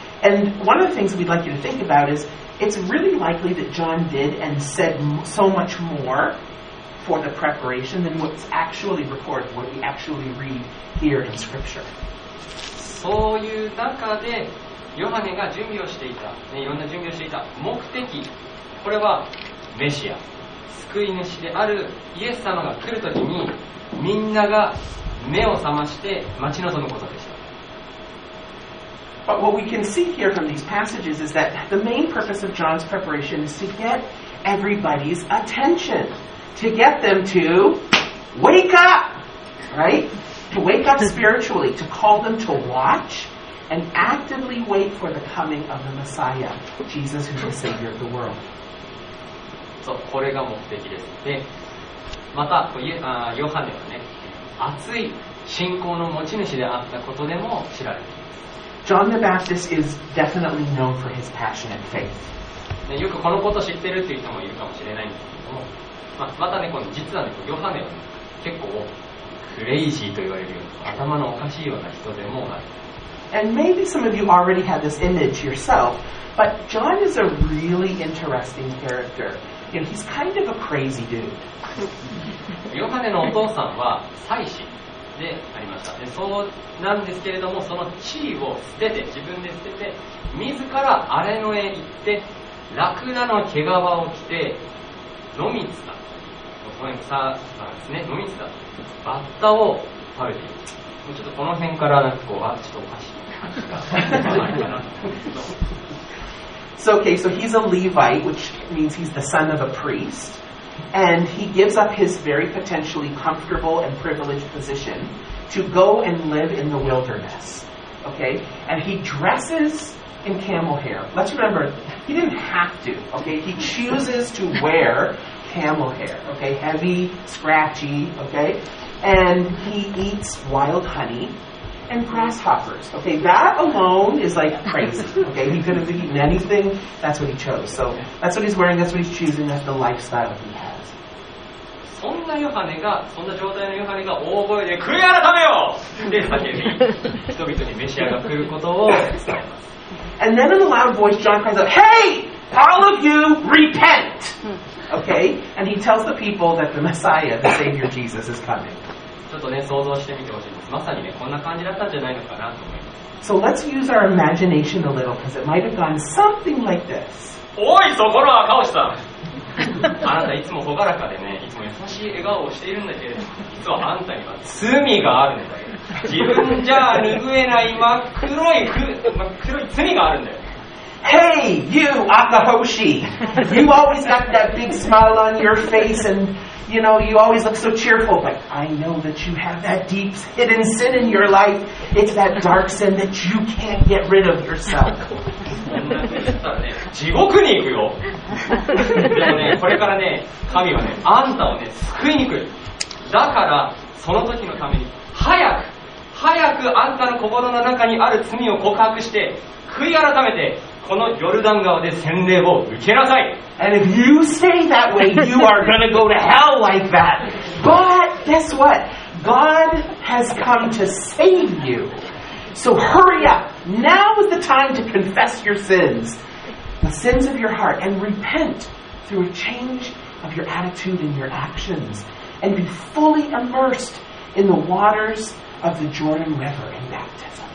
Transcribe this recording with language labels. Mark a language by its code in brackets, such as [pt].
[en] And one of the things we'd like you to think about is it's really likely that John did and said so much more for the preparation than what's actually recorded, what we actually read here in Scripture. [ja] そういう中でヨハネが準備をしていた、ね、いろんな準備をしていた目的、これはメシア。救い主であるイエス様が来るときにみんなが目を覚まして待ち望むことでした。 [en] But what we can see here from these passages is that the main purpose of John's preparation is to get everybody's attention, to get them to wake up, right? To wake up spiritually, to call them to watch and actively wait for the coming of the Messiah, Jesus, who is the Savior of the world. [ja] そう、これが目的です。で、またヨハネはね、熱い信仰の持ち主であったことでも知られています。 [en] John the Baptist is definitely known for his passionate faith. [ja] ね、よくこのことを知ってるっていう人もいるかもしれないんですけども、またね、この実はね、ヨハネは、ね、結構クレイジーと言われるような、頭のおかしいような人でもある。 [en] And maybe some of you already have this image yourself, but John is a really interesting character. You know, he's kind of a crazy dude. [ja] ヨハネのお父さんは祭司でありました。で、そうなんですけれども、その地位を捨てて、自分で捨てて、自ら荒れ野へ行って、ラクダの毛皮を着て、ノミツだ。ごめん、草さんですね、ノミツだ。バッタを食べている。ちょっとこの辺からなんかこう、ちょっとおかしい感じが。 [en] So, okay, so he's a Levite, which means he's the son of a priest, and he gives up his very potentially comfortable and privileged position to go and live in the wilderness, okay? And he dresses in camel hair. Let's remember, he didn't have to, okay? He chooses to wear camel hair, okay? Heavy, scratchy, okay? And he eats wild honey. And grasshoppers. Okay, that alone is like crazy. Okay, he could have eaten anything. That's what he chose. So that's what he's wearing. That's what he's choosing. That's the lifestyle he has. [ja] そんなヨハネが、そんな状態のヨハネが大声で悔い改めよ！で叫び、人々に召し上がくることを伝えます。 [en] And then in a loud voice, John cries out, "Hey, all of you, repent!" Okay, and he tells the people that the Messiah, the Savior Jesus, is coming. [ja] ちょっとね、想像してみてほしいです。まさにね、こんな感じだったんじゃないのかなと思います。 [en] So let's use our imagination a little, because it might have gone something like this. [ja] おい、そこの赤星さん。あなたいつも朗らかでね、いつも優しい笑顔をしているんだけれども、実はあんたには罪があるんだよ。自分じゃ拭えない真っ黒い真っ黒い罪があるんだよ。 [en] Hey, you, Akahoshi! You always got that big smile on your face and, you know, you always look so cheerful. But I know that you have that deep hidden sin in your life. It's that dark sin that you can't get rid of yourself. [ja] そんなね、地獄に行くよ。でもね、これからね、神はね、あんたをね、救いに来る。だから、その時のために、早く、早くあんたの心の中にある罪を告白して、悔い改めて、このヨルダン川で洗礼を受けなさい。 [en] And if you stay that way, you are going to go to hell like that. But guess what? God has come to save you. So hurry up. Now is the time to confess your sins, the sins of your heart, and repent through a change of your attitude and your actions, and be fully immersed in the waters of the Jordan River in baptism.